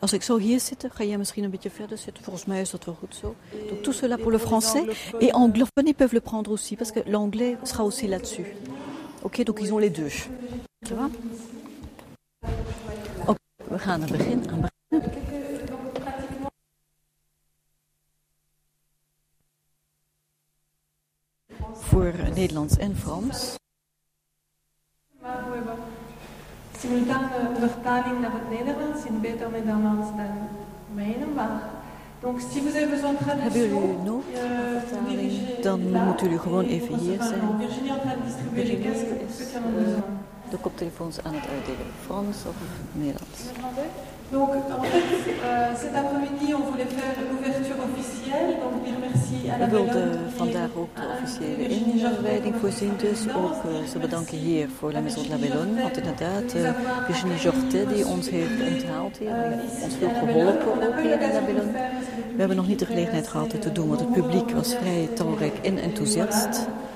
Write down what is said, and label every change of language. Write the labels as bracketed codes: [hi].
[nl] Als ik zo hier zit, ga jij misschien een beetje verder zitten. Volgens mij is dat wel goed zo. [fr] Donc tout cela pour le français. Et anglophones, ils peuvent le prendre aussi, parce que l'anglais sera aussi là-dessus. Ok, donc ils ont les deux. Tu vois? [nl] Ok, we gaan naar begin. Voor Nederlands en Frans. Simultane vertaling naar het Nederlands is beter met Nederlands dan mijn, maar. [fr] Donc, si vous avez besoin de traduction, [nl] hebben jullie een nood? Dan moeten jullie gewoon even hier zijn. [fr] Virginie en train de distribuer les casques. [nl] De koptelefoons aan het uitdelen. Frans of Nederlands? [fr] Donc, en fait, cet après-midi, on voulait faire l'ouverture officielle. Donc, je remercie à la [nl] we wilden vandaag ook de officiële inleiding voorzien. Dus ook ze bedanken hier voor la Maison de la Bellone. Want inderdaad, Virginie Jortet die ons heeft onthaald hier. Ons veel geholpen ook hier in la Bellone. We hebben nog niet de gelegenheid gehad het te doen, want het publiek was vrij talrijk en enthousiast.